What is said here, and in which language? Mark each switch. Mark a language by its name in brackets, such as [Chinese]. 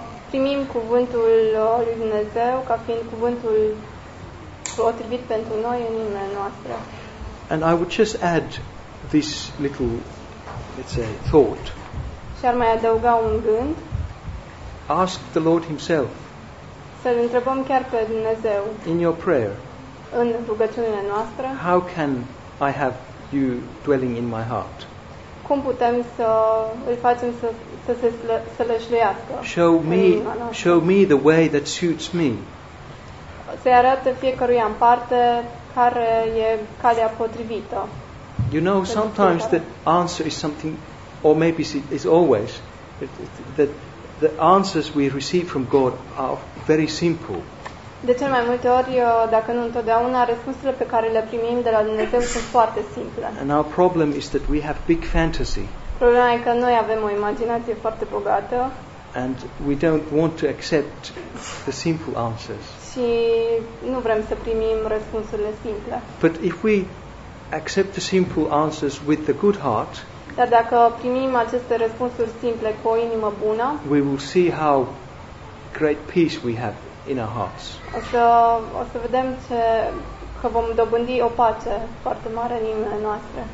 [Romanian] Primim cuvântul lui Dumnezeu ca fiind cuvântul potrivit pentru noi în inimile noastre. [English] And I would just add this little, let's say, thought. [Romanian] Și ar mai adăuga un gând. [English] Ask the Lord himself. [Romanian] Să-l întrebăm chiar pe Dumnezeu. [English] In your prayer. [Romanian] În rugăciunile noastre. [English] How can I have you dwelling in my heart? [Romanian] Cum putem să îl facem să se sălășluiască? [English] Show me the way that suits me. [Romanian] Să-i arată fiecăruia în parte care e calea potrivită. [English] You know, sometimes the answer is something, or maybe it's always, that the answers we receive from God are very simple. [Romanian] De cel mai multe ori, dacă nu întotdeauna, răspunsurile pe care le primim de la Dumnezeu sunt foarte simple. [English] And our problem is that we have big fantasy. [Romanian] Problema e că noi avem o imaginație foarte bogată. [English] And we don't want to accept the simple answers. [Romanian] Și nu vrem să primim răspunsurile simple. [English] But if we accept the simple answers with a good heart, [Romanian] dar dacă primim aceste răspunsuri simple cu o inimă bună, [English] we will see how great peace we have in our hearts. [Romanian] O să vedem că vom dobândi o pace foarte mare în inimile noastre.